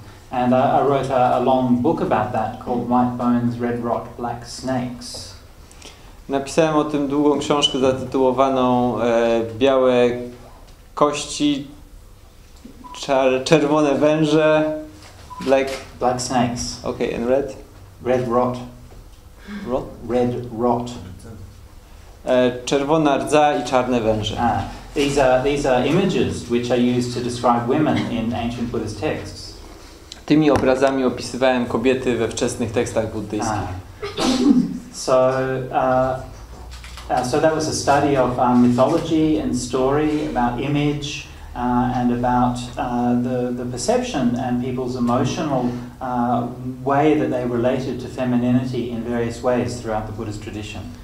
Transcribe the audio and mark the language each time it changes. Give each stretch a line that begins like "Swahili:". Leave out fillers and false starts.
English: And I wrote a long book about that called White Bones, Red Rot, Black Snakes.
Polish: Napisałem o tym długą książkę zatytułowaną Białe kości, czerwone węże,
English: Black snakes. Okay, and red? Red rot. Rot? Red rot.
Polish: Czerwona rdza i czarne węże.
English: These are images which are used to describe women in ancient Buddhist texts.
Polish: Tymi obrazami opisywałem kobiety we wczesnych tekstach buddyjskich.
English: So that was a study of mythology and story about image and about the perception and people's emotional way that they related to femininity in various ways throughout the Buddhist tradition.